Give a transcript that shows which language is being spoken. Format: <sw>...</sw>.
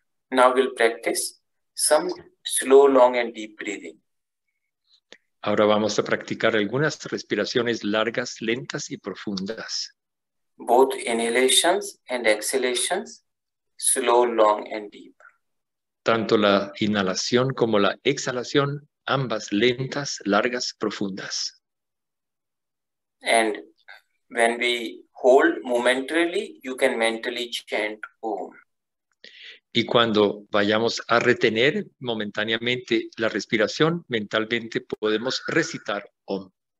<en>Now we'll practice some slow, long and deep breathing.</en> <es>Ahora vamos a practicar algunas respiraciones largas, lentas y profundas.</es> <en>Both inhalations and exhalations, slow, long and deep.</en> <es>Tanto la inhalación como la exhalación, ambas lentas, largas, profundas.</es> <en>And when we hold momentarily, you can mentally chant Om.</en> <es>Y cuando vayamos a retener momentáneamente la respiración, mentalmente podemos recitar Om.</es>